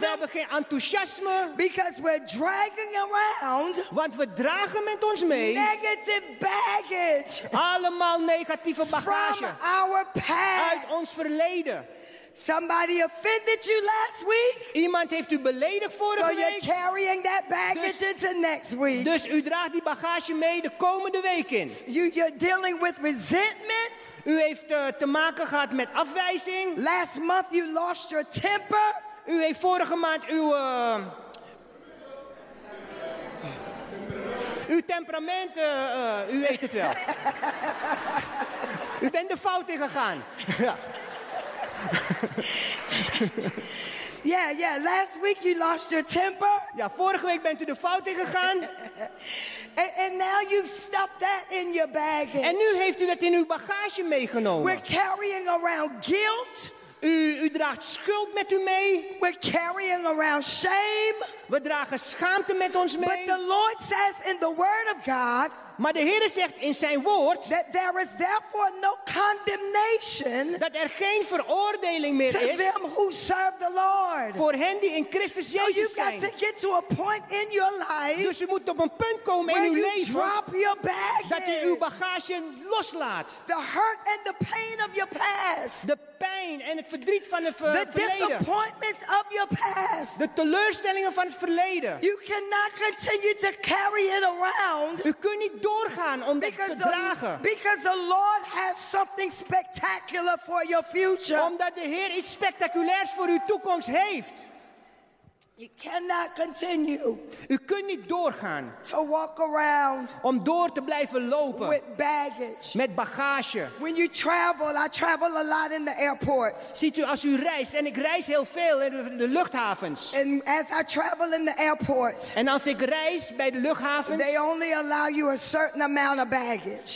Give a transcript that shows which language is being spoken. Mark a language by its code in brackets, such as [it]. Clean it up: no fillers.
[nl] We hebben geen enthousiasme. [en] Because we're dragging around. [nl] Want we dragen met ons mee. [en] Negative baggage. [nl] Allemaal negatieve bagage. [en] From our past. [nl] Uit ons verleden. [en] Somebody offended you last week. [nl] Iemand heeft u beledigd vorige week. [en] So you're carrying that baggage into next week. [nl] Dus u draagt die bagage mee de komende week in. [en] You're dealing with resentment. [nl] U heeft te maken gehad met afwijzing. [en] Last month you lost your temper. [nl] U heeft vorige maand uw temperament, u weet het wel. U bent de fout in gegaan. [en] Yeah, last week you lost your temper. [nl] Ja, vorige week bent u de fout in gegaan. [en] And now you've stuffed that in your baggage. [nl] En nu heeft u dat in uw bagage meegenomen. [en] We're carrying around guilt. [nl] U draagt schuld met u mee. [en] We're carrying around shame. [nl] We dragen schaamte met ons mee. [en] But the Lord says in the word of God, [nl] maar de Heere zegt in zijn woord [en] that there is therefore no condemnation [nl] dat er geen veroordeling meer [en] to [nl] is [en] them who serve the Lord. [nl] Voor hen die in Christus Jezus [en] so you've [nl] zijn. [en] Got to get to a point in your life [nl] dus u moet op een punt komen [en] where [nl] in uw [en] you [nl] leven [en] drop your baggage, [nl] dat u uw bagage loslaat. [en] The hurt and the pain of your past. [nl] De pijn en het verdriet van het verleden. [en] The disappointments of your past. [nl] De teleurstellingen van het verleden. [en] You cannot continue to carry it around. [nl] U kunt niet doorgaan om dit te dragen. [en] Because the Lord has something spectacular for your future. [nl] Omdat de Heer iets spectaculairs voor uw toekomst heeft. [en] You cannot continue. [nl] U kunt niet doorgaan. [en] To walk around. [nl] Om door te blijven lopen. [en] With baggage. [nl] Met bagage. [en] When you travel, I travel a lot in the airports. [nl] Ziet u, als u reist, en ik reis heel veel in de luchthavens. [en] And as I travel in the airports. [nl] En als ik reis bij de luchthavens. [en] They only allow you a certain amount of baggage.